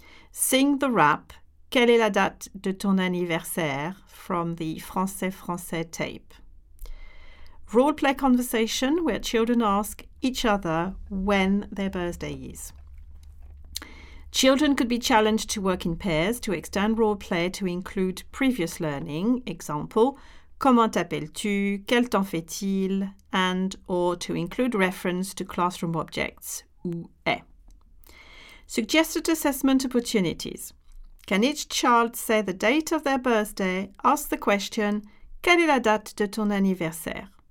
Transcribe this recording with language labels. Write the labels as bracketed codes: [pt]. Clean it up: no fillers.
[en] Sing the rap, [fr] Quelle est la date de ton anniversaire? [en] From the Français-Français tape. Role play conversation where children ask each other when their birthday is. Children could be challenged to work in pairs to extend role play to include previous learning. [fr] Example, Comment t'appelles-tu? Quel temps fait-il? [en] And or to include reference to classroom objects. [fr] Où est? [en] Suggested assessment opportunities. Can each child say the date of their birthday? Ask the question, [fr] Quelle est la date de ton anniversaire?